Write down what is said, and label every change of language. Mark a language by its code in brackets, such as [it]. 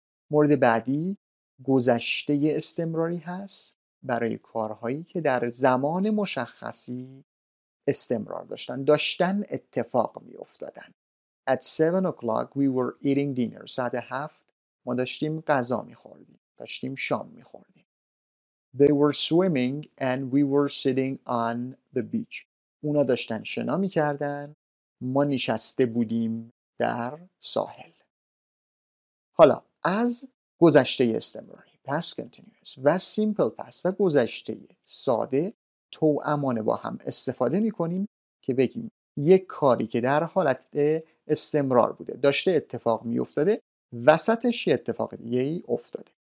[fa] مورد بعدی گذشته استمراری هست برای کارهایی که در زمان مشخصی استمرار داشتن، داشتن اتفاق می افتادن. [en] At 7 o'clock we were eating dinner. [fa] ساعت 7 ما داشتیم غذا می خوردیم، داشتیم شام می خوردیم. [en] They were swimming and we were sitting on the beach. [fa] اونا داشتن شنا می کردن، ما نشسته بودیم در ساحل. حالا از گذشته استمراری past continuous و simple past و گذشته ساده توامانه با هم استفاده می کنیم که بگیم یک کاری که در حالت استمرار بوده، داشته اتفاق می افتاده، وسطش یه اتفاق دیگه ای افتاده.